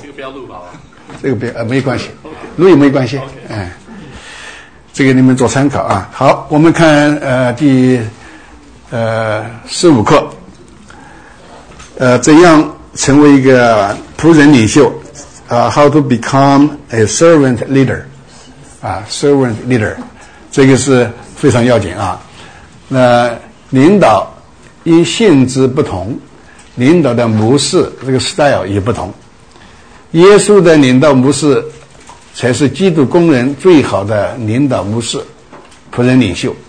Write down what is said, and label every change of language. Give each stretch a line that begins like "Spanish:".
Chinese: 这个不要录吧？这个别没关系，录也没关系。这个你们做参考啊。好，我们看第15课，怎样成为一个仆人领袖？
English: How to become a servant leader？
Chinese: Servant leader， 这个是非常要紧啊。那领导因性质不同，领导的模式这个 style 也不同。耶稣的领导模式才是基督工人最好的领导模式，仆人领袖。